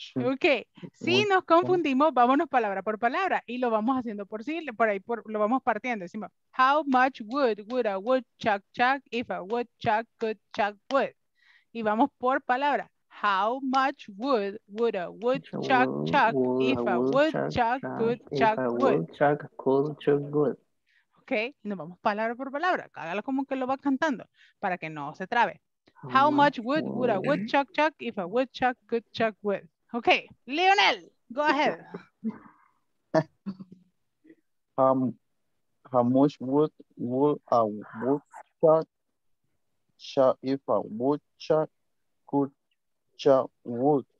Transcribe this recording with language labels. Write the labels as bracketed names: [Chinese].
[Spanish] Okay, si nos confundimos, vámonos palabra por palabra y lo vamos haciendo por sí, por ahí por, lo vamos partiendo. Decimos, [English] how much wood would a woodchuck chuck if a woodchuck could chuck wood? [Spanish] Y vamos por palabra. [English] How much wood would a woodchuck chuck if a woodchuck could chuck wood? [Spanish] Okay, y nos vamos palabra por palabra. Hágalo como que lo va cantando para que no se trabe. [English] How much wood would a woodchuck chuck if a woodchuck could chuck wood? Okay, Lionel, go ahead. How much wood would a woodchuck chuck if a woodchuck could chuck wood?